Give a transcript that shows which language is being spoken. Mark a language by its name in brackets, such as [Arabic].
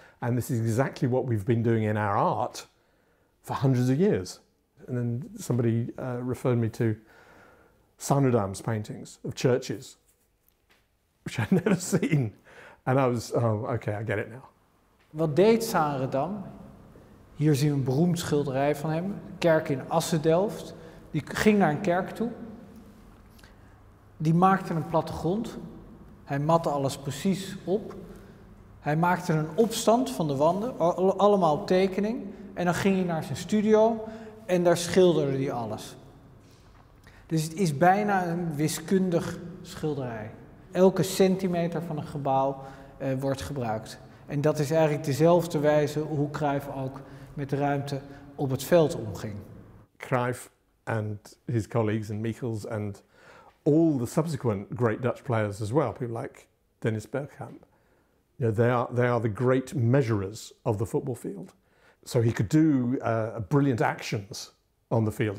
[English] And this is exactly what we've been doing in our art for hundreds of years. And then somebody referred me to Sanudam's paintings of churches, which I'd never seen. And I was, oh, okay, I get it now. [Dutch] Wat deed Sarendam? Hier zien we een beroemd schilderij van hem. Kerk in Assendelft. Die ging naar een kerk toe. Die maakte een plattegrond. Hij matte alles precies op. Hij maakte een opstand van de wanden. Allemaal op tekening. En dan ging hij naar zijn studio. En daar schilderde hij alles. Dus het is bijna een wiskundig schilderij. Elke centimeter van een gebouw wordt gebruikt. En dat is eigenlijk dezelfde wijze hoe Cruijff ook met de ruimte op het veld omging. [English] Cruijff and his colleagues and Michels and all the subsequent great Dutch players as well, people like Dennis Bergkamp, you know, they are the great measurers of the football field. So he could do brilliant actions on the field.